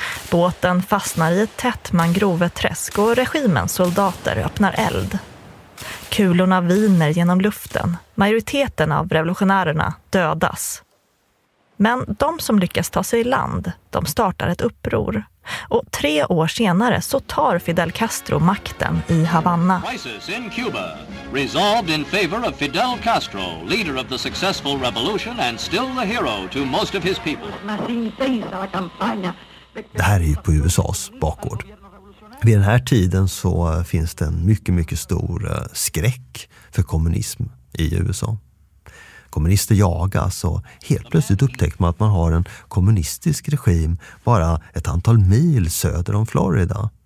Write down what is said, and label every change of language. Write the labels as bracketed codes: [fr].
[sv] Båten fastnar i ett tätt mangroveträsk och regimens soldater öppnar eld. Kulorna viner genom luften. Majoriteten av revolutionärerna dödas. Men de som lyckas ta sig i land, de startar ett uppror. Och 3 år senare så tar Fidel Castro makten i Havana. [en] Crisis in Cuba, resolved in favor of Fidel Castro, leader of the successful revolution and still the hero to most of his people. [sv] Det här är ju på USA:s bakgård. Vid den här tiden så finns det en mycket, mycket stor skräck för kommunism i USA. Kommunister jagas och helt plötsligt upptäcker man att man har en kommunistisk regim bara ett antal mil söder om Florida.